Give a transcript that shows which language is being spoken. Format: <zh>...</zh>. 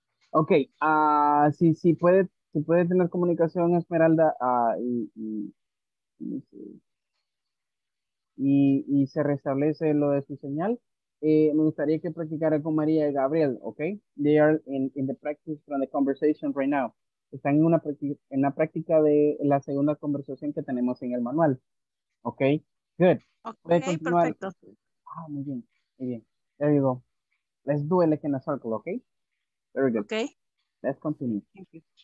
<es>Ok, si puede tener comunicación, Esmeralda, y se restablece lo de su señal. Me gustaría que practicara con María y Gabriel, ¿ok?</es> <en>They are in the practice from the conversation right now.</en> <es>Están en la práctica de la segunda conversación que tenemos en el manual, ¿ok?</es> <en>Good.</en> <es>Okay, puede continuar. Perfecto. Ah, muy bien.</es> <en>There you go. Let's do it like in a circle, ¿ok? Very good. Okay. Let's continue. Thank you.</en>